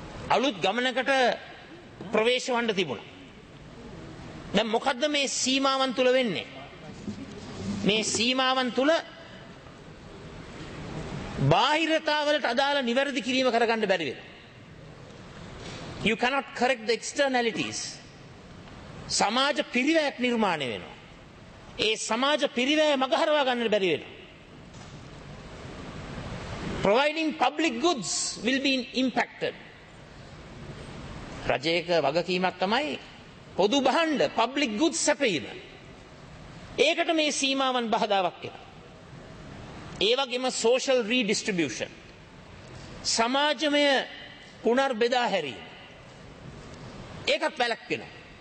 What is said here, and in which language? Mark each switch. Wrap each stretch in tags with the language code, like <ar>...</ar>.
<si>අලුත් ගමනකට ප්‍රවේශ වන්න තිබුණා. දැන් මොකද්ද මේ සීමාවන් තුල වෙන්නේ? මේ සීමාවන් තුල බාහිරතාවලට අදාළ නිවැරදි කිරීම කරගන්න බැරි වෙනවා.</si> <en>You cannot correct the externalities.</en> <si>සමාජ පිරිවැයක් නිර්මාණය වෙනවා. ඒ සමාජ පිරිවැය මගහරවා ගන්න බැරි වෙනවා.</si> <en>Providing public goods will be impacted.</en> <si>රජයක වගකීමක් තමයි පොදු භාණ්ඩ public goods සැපයීම. ඒකට මේ සීමාවන් බාධාවක් වෙනවා. ඒ වගේම social redistribution. සමාජමය පුනර්බෙදා හැරීම. ඒකත් වැළක්වෙනවා.</si>